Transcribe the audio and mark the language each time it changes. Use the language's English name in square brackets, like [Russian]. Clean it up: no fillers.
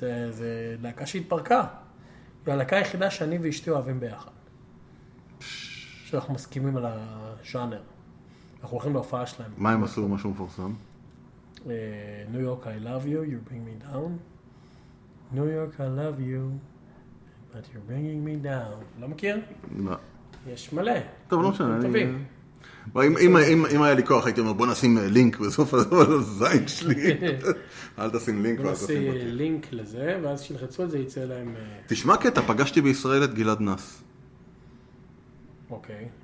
[Hebrew] זה להקה שהתפרקה. והלהקה היחידה שאני ואשתי אוהבים ביחד. שאנחנו מסכימים על השאנר. אנחנו הולכים להופעה שלהם. מה הם עשו משהו מפורסם? [English] New York, I love you, you're bringing me down. New York, I love you, but you're bringing me down. [Hebrew] לא מכיר? לא. יש מלא. טוב, לא שאני. טובים. אם היה לי כוח, הייתי אומר, בוא נשים לינק בסוף הזין שלי. אל תשים לינק. בוא נשים לינק לזה, ואז שלחצו את זה, יצא להם... תשמע קטע, פגשתי בישראל את גלעד נס. אוקיי.